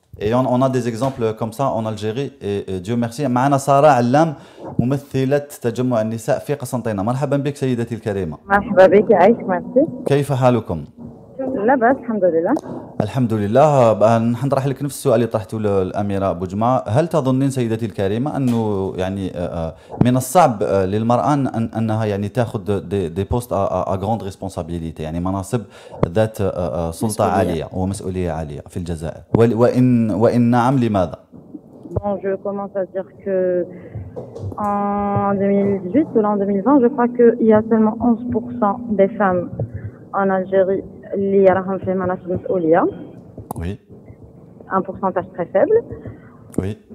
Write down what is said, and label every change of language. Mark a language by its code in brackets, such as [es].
[fr] Et on a des exemples comme ça en Algérie, et Dieu merci. [ar] معنا سارة علام ممثلة تجمع النساء في قسنطينة. مرحبا بك سيدتي الكريمة. مرحبا بك عايش مرسي. كيف حالكم؟ لاباس الحمد لله. الحمد لله. نطرح لك نفس السؤال اللي طرحته للأميرة بوجمعة. هل تظنين سيدتي الكريمة انه يعني من الصعب للمرأة انها يعني تاخذ [fr] دي بوست ا غراند ريسبونسابيليتي، [ar] يعني مناصب ذات سلطة عالية ومسؤولية عالية في الجزائر، وان نعم لماذا؟ [fr] Bon, je commence à dire que en 2018 ou en 2020, je crois que il y a seulement 11% des femmes en Algérie [ar] li raham fi manasib mas'oulia. [fr] Oui. Un pourcentage très faible. Oui.